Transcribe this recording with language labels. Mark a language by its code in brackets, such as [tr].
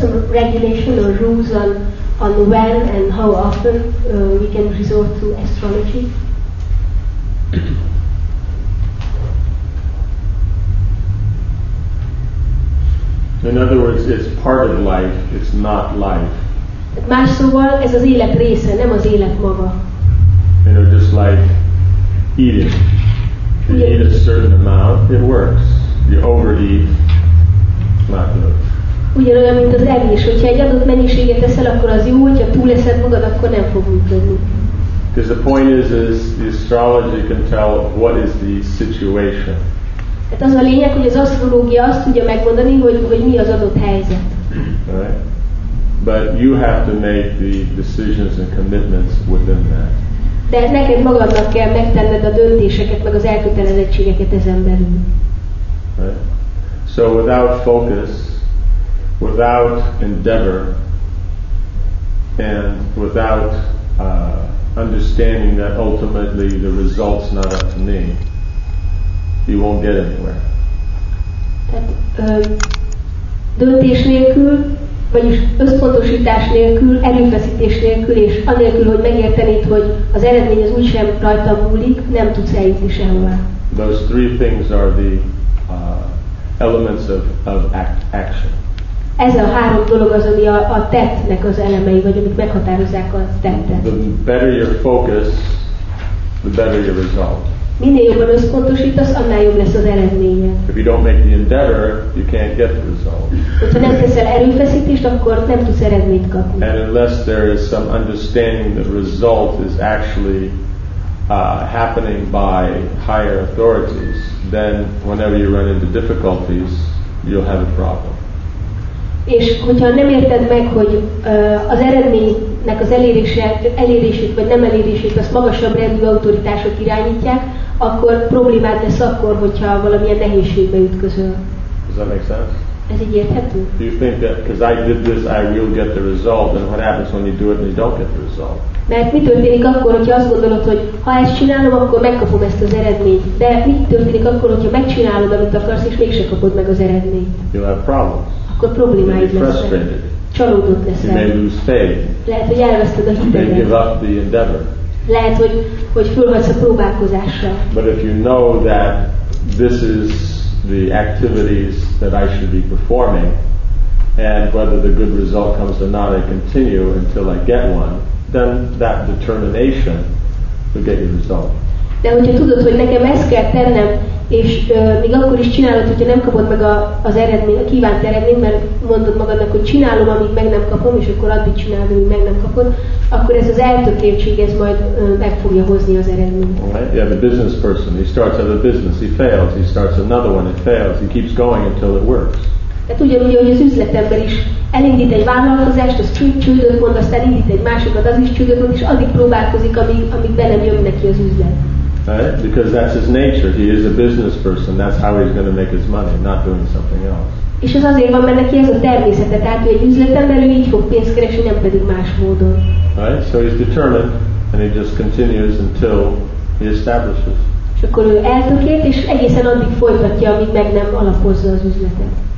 [en] regulation or rules on when and how often we can resort to astrology. In other words, it's part of life, it's not life. [hu] Más szóval ez az élet része, nem az élet maga. [en] You know, just like eating. If you eat a certain amount, it works. You overeat, not good. [hu] Ugyanolyan, mint az evés. Hogyha egy adott mennyiséget eszel, akkor az jó, hogyha túleszed magad, akkor nem fog működni. [en] Because the point is the astrology can tell what is the situation. [hu] Hát az a lényeg, hogy az asztrológia azt tudja megmondani, hogy mi az adott helyzet. [en] Right? But you have to make the decisions and commitments within that. [hu] De neked magadnak kell megtenned a döntéseket, meg az elkötelezettségeket ezen belül. [en] Right? So without focus, without endeavor, and without understanding that ultimately the result's not up to me, you won't get anywhere. [hu] Tehát döntés nélkül, vagyis összpontosítás nélkül, erőfeszítés nélkül, és anélkül, hogy megértenéd, hogy az eredmény az úgysem rajta múlik, nem tudsz eljutni sehová. [en] Those three things are the elements of action. [hu] Ez a három dolog az, ami a tettnek az elemei, vagy amit meghatározzák a tettet. [en] The better your focus, the better your result. [hu] Minél jobban összpontosítasz, annál jobb lesz az eredménye. [en] If you don't make the endeavor, you can't get the result. [hu] Ha nem teszel erőfeszítést, akkor nem tudsz eredményt kapni. [en] And unless there is some understanding that result is actually happening by higher authorities, then whenever you run into difficulties, you'll have a problem. [hu] És hogyha nem érted meg, hogy az eredménynek az elérését vagy nem elérését az magasabb rendű autoritások irányítják, akkor problémát lesz akkor, hogyha valamilyen nehézségbe ütközöl. [en] Does that make sense? [hu] Ez így érthető? [en] Do you think that because I did this, I will get the result, and what happens when you do it and you don't get the result? [hu] Mert mi történik akkor, hogyha azt gondolod, hogy ha ezt csinálom, akkor megkapom ezt az eredményt. De mi történik akkor, hogyha megcsinálod, amit akarsz, és mégse kapod meg az eredményt? [en] You'll have problems. [hu] Akkor problémáid lesz. Csalódott leszel. [en] You may lose faith. [hu] Lehet, hogy elveszted a hitedet. [en] You may give up the endeavor. [hu] Lehet, hogy fölvesz a próbálkozásra. [en] But if you know that this is the activities that I should be performing, and whether the good result comes or not, I continue until I get one, then that determination will get you the result. [hu] De hogyha tudod, hogy nekem ezt kell tennem, és még akkor is csinálod, hogyha nem kapod meg az eredményt, a kívánt eredményt, mert mondod magadnak, hogy csinálom, amíg meg nem kapom, és akkor addig csinálod, amíg meg nem kapod, akkor ez az eltökéltség, ez majd meg fogja hozni az eredményt. [en] Right. Yeah, the business person, he starts out a business, he fails, he starts another one, it fails, he keeps going until it works. [hu] Tehát ugyanúgy, hogy az üzletember is elindít egy vállalkozást, az csődöt mond, aztán elindít egy másikat, az is csődöt mond, és addig próbálkozik, amíg be nem jön neki az üzlet. [en] Right? Because that's his nature. He is a business person. That's how he's going to make his money, not doing something else. [hu] És ez azért van, mert neki ez a természete, tehát ő egy üzletember, ő így fog pénzt keresni, nem pedig más módon. [en] Right? So he's determined, and he just continues until he establishes. [hu] És akkor ő eltökélt, és egészen addig folytatja, amíg meg nem alapozza az üzletet.